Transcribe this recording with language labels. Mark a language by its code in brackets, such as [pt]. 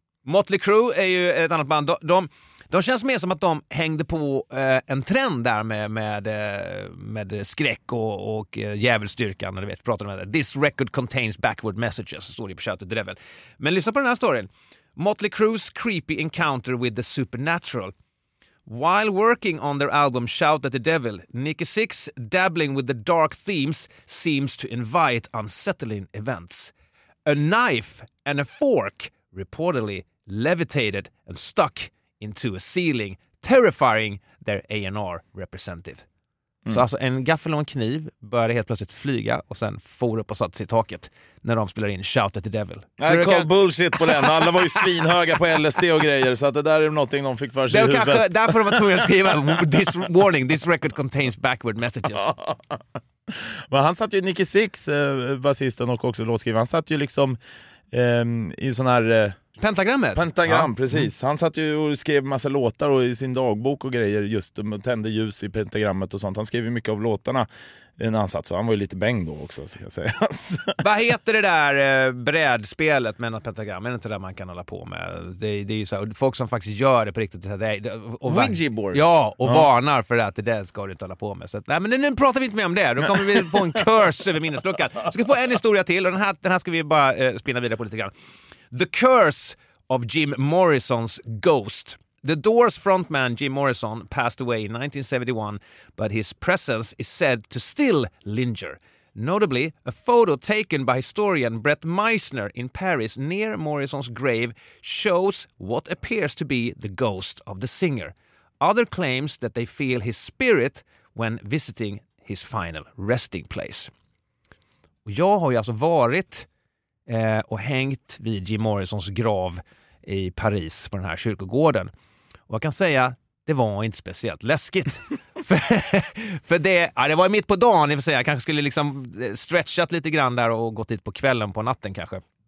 [sv] Motley Crue är ju ett annat band. De känns mer som att de hängde på en trend där med skräck och djävulstyrkan. Du vet, pratar om det. [en] This record contains backward messages, [sv] står det på köttet. Det är väl. Men lyssna på den här storyn. [en] Motley Crue's creepy encounter with the supernatural. While working on their album Shout at the Devil, Nikki Sixx dabbling with the dark themes seems to invite unsettling events. A knife and a fork reportedly levitated and stuck into a ceiling, terrifying their A&R representative. [sv] Mm. Så alltså en gaffel och en kniv började helt plötsligt flyga och sen for upp och satt sig i taket när de spelar in Shout at the Devil. Nej, [en] call bullshit [sv] på den. Alla var ju svinhöga på LSD och grejer, så att det där är någonting de fick för sig i huvudet. Kanske, därför de var tvungna att skriva [en] this warning, this record contains backward messages. [sv] Men han satt ju, Nikki Sixx, bassisten och också låtskrivaren, han satt ju liksom i sån här Pentagram, ja. Precis. Han satt ju och skrev massa låtar och i sin dagbok och grejer, just tände ljus i pentagrammet och sånt. Han skrev ju mycket av låtarna när han satt, så han var ju lite bäng då också, ska jag säga. Vad heter det där brädspelet med något pentagram? Är det inte det man kan hålla på med? Det är ju så här, folk som faktiskt gör det på riktigt. Ouija board. Ja, och ja. Varnar för att det ska du inte hålla på med. Så att, nej, men nu pratar vi inte mer om det. Då kommer vi få en curse över minnesluckan. Vi ska få en historia till och den här ska vi bara spinna vidare på lite grann. [en] The Curse of Jim Morrison's Ghost. The Doors frontman Jim Morrison passed away in 1971, but his presence is said to still linger. Notably, a photo taken by historian Brett Meissner in Paris near Morrison's grave shows what appears to be the ghost of the singer. Other claims that they feel his spirit when visiting his final resting place. [sv] Jag har ju alltså varit och hängt vid Jim Morrisons grav i Paris på den här kyrkogården. Och jag kan säga, det var inte speciellt läskigt. för det, ja, det var mitt på dagen, jag kanske skulle liksom stretchat lite grann där och gått dit på kvällen på natten kanske.